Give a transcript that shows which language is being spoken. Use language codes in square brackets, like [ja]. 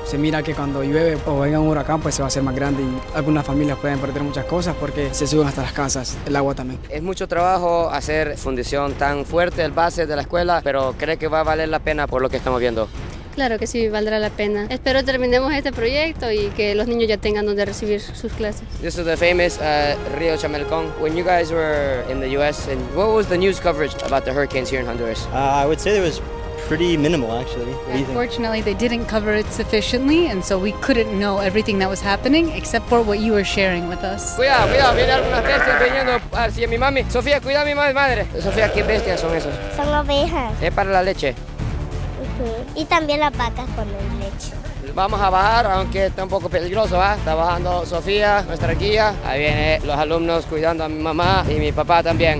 [es] Se mira que cuando llueve o venga un huracán, pues se va a hacer más grande y algunas familias pueden perder muchas cosas porque se suben hasta las casas, el agua también. Es mucho trabajo hacer fundición tan fuerte, el base de la escuela, pero ¿cree que va a valer la pena por lo que estamos viendo? Claro que sí, valdrá la pena. Espero terminemos este proyecto y que los niños ya tengan donde recibir sus clases. [en] This is the famous Rio Chamelecón. When you guys were in the U.S., and what was the news coverage about the hurricanes here in Honduras? I would say it was pretty minimal, actually. Unfortunately, they didn't cover it sufficiently, and so we couldn't know everything that was happening except for what you were sharing with us. [es] Cuidado, cuidado, viene alguna bestia viniendo hacia mi mami. Sofía, cuida a mi madre. Sofía, ¿qué bestias son esas? Son ovejas. Es para la leche. Y también las vacas con el leche. Vamos a bajar, aunque está un poco peligroso, ¿eh? Está bajando Sofía, nuestra guía. Ahí vienen los alumnos cuidando a mi mamá y mi papá también.